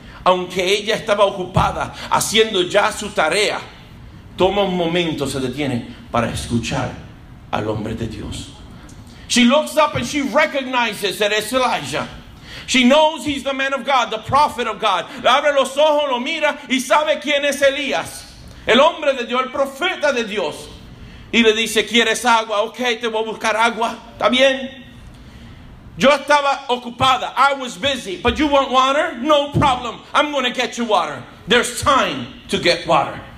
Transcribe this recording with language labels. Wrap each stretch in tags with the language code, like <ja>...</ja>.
<es>Aunque ella estaba ocupada haciendo ya su tarea, toma un momento, se detiene para escuchar al hombre de Dios.</es> <en>She looks up and she recognizes that it's Elijah. She knows he's the man of God, the prophet of God.</en> <es>Abre los ojos, lo mira y sabe quién es Elías, el hombre de Dios, el profeta de Dios. Y le dice, ¿quieres agua? Okay, te voy a buscar agua. ¿Está bien? Yo estaba ocupada.</es> <en>I was busy. But you want water? No problem. I'm going to get you water. There's time to get water.</en>